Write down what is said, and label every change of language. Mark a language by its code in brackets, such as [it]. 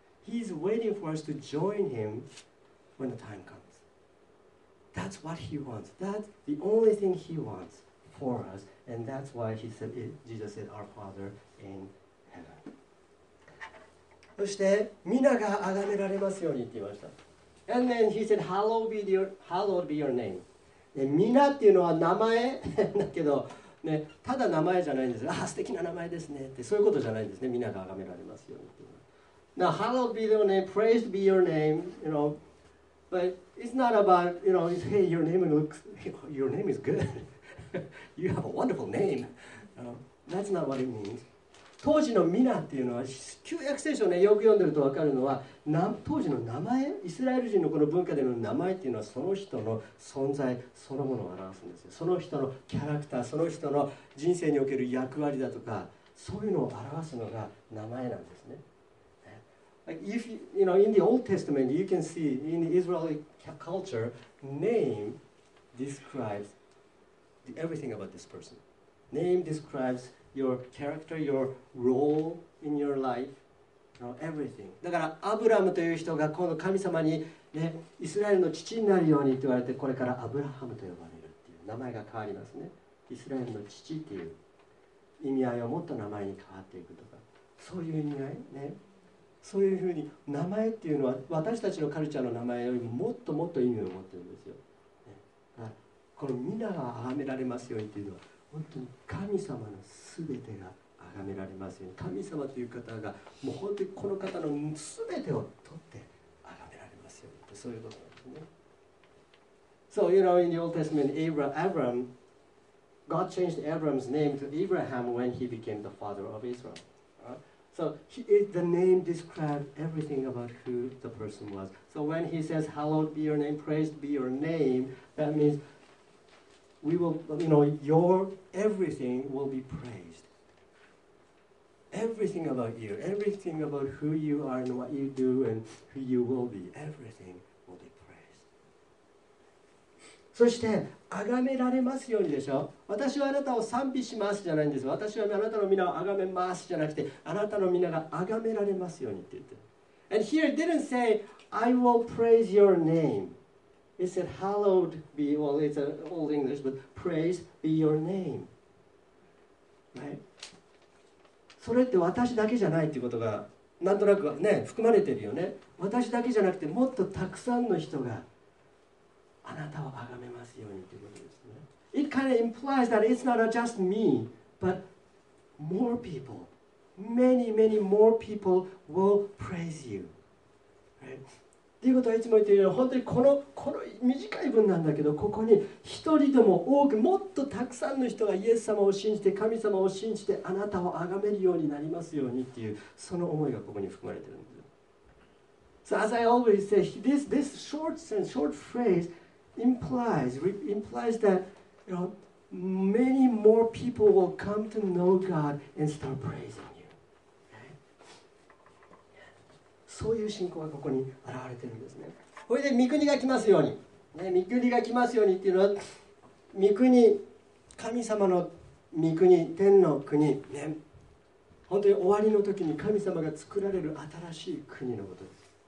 [en] He's waiting for us to join him when the time comes. That's what he wants. That's the only thing he wants for us. And that's why he said, Jesus said, our Father in heaven. [ja] そして、皆が崇められますようにって言いました。 [en] And then he said, hallowed be your name. [ja] で、皆っていうのは名前だけど、ね、ただ名前じゃないんです。ああ、素敵な名前ですねって、そういうことじゃないんですね。皆が崇められますようにって。 [en] Now, hallowed be your name, praised be your name, you know. But it's not about, you know, it's, hey, your name is good. You have a wonderful name. That's not what it means. [ja] 当時のミナっていうのは、旧約聖書を、ね、よく読んでると分かるのは、当時の名前、イスラエル人のこの文化での名前っていうのは、その人の存在そのものを表すんですよ。その人のキャラクター、その人の人生における役割だとか、そういうのを表すのが名前なんですね。 [en] If you know, in the Old Testament, you can see in the Israeli culture, name describes everything about this person. Name describes your character, your role in your life, you know, everything. [ja] だから、アブラムという人が今度神様に、ね、イスラエルの父になるようにと言われて、これからアブラハムと呼ばれるっていう名前が変わりますね。イスラエルの父っていう意味合いを持った名前に変わっていくとか、そういう意味合いね。そういうふうに名前っていうのは私たちのカルチャーの名前よりももっともっと意味を持ってるんですよ。この皆が崇められますようにっていうのは本当に神様のすべてが崇められますように。神様という方がもう本当にこの方のすべてを取って崇められますようにって、そういうことなんですね。 [en] So you know in the Old Testament, Abraham, God changed Abraham's name to Abraham when he became the father of Israel. So the name described everything about who the person was. So when he says, "Hallowed be your name, praised be your name," that means we will, you know, your everything will be praised. Everything about you, everything about who you are and what you do and who you will be, everything will be praised. [ja] そして崇められますようにでしょ。私はあなたを賛美しますじゃないんです。私はあなたの皆を崇めますじゃなくて、あなたの皆が崇められますようにって言って。 [en] And here it didn't say, I will praise your name. It said, hallowed be, well, it's an old English, but praise be your name. Right? [ja] それって私だけじゃないっていうことが、なんとなくね、含まれてるよね。私だけじゃなくて、もっとたくさんの人が、あなたを崇めますようにということですね。 [en] It kind of implies that it's not just me, but more people, many, many more people will praise you. [ja] と、right? いうことはいつも言っているように、本当にこの短い文なんだけど、ここに一人でも多く、もっとたくさんの人がイエス様を信じて、神様を信じて、あなたを崇めるようになりますようにっていう、その思いがここに含まれているんです。 [en] So as I always say, this short sentence, short phrase,implies that you know, many more people will come to know God and start praising you. [ja] そういう信仰がここに現れてるんですね。これで御国が来ますように、ね、御国が来ますようにっていうのは御国、神様の御国、天の国、ね、本当に終わりの時に神様が作られる新しい国のことです。